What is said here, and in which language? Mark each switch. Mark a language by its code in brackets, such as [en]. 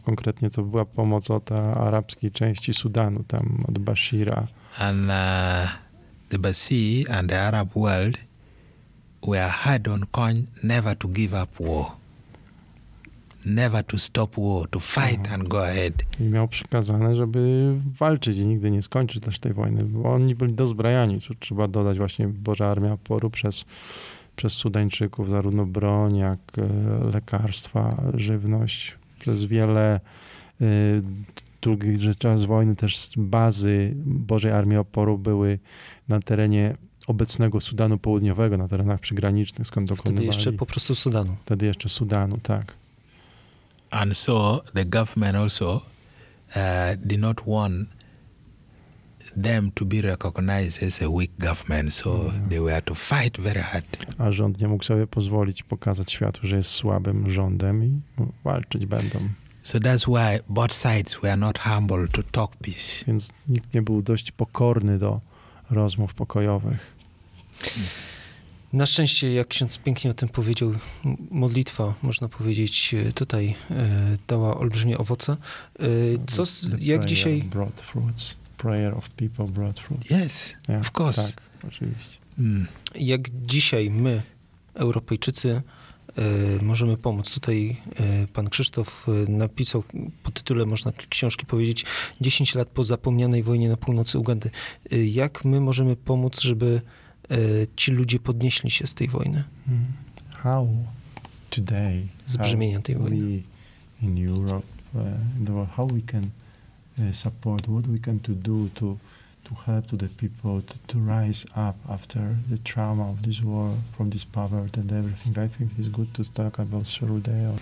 [pl] Konkretnie to była pomoc od arabskiej części Sudanu, tam od Bashira. [en] And the Basir and the Arab world were hard on Kony never to give up war. Never to stop war, to fight and go ahead. [pl] I miał przekazane, żeby walczyć i nigdy nie skończyć też tej wojny, bo oni byli dozbrajani. Tu trzeba dodać właśnie Boża Armia Poru przez Sudańczyków, zarówno broń, jak lekarstwa, żywność. Przez wiele długich czas wojny też bazy Bożej Armii Oporu były na terenie obecnego Sudanu Południowego, na terenach przygranicznych, skąd dokonywali. Wtedy jeszcze po prostu Sudanu. Wtedy jeszcze Sudanu, tak. [en] And so the government also did not want them to be recognized as a weak government, so they were to fight very hard. [pl] A rząd nie mógł sobie pozwolić pokazać światu, że jest słabym rządem i walczyć będą. [en] So that's why both sides were not humble to talk peace. [pl] Więc nikt nie był dość pokorny do rozmów pokojowych. Na szczęście, jak ksiądz pięknie o tym powiedział, modlitwa, można powiedzieć, tutaj dała olbrzymie owoce. Co, jak dzisiaj... [en] Prayer of people brought fruits. Yes, yeah, of course. [pl] Tak, oczywiście. Jak dzisiaj my, Europejczycy, możemy pomóc. Tutaj pan Krzysztof napisał pod tytule, można książki powiedzieć, 10 lat po zapomnianej wojnie na północy Ugandy. Jak my możemy pomóc, żeby ci ludzie podnieśli się z tej wojny. [en] How today? [pl] Z brzmienia tej wojny. [en] We in Europe, in the world, how we can support? What we can to do to help to the people to rise up after the trauma of this war, from this poverty and everything? I think it's good to talk about Sherudeo.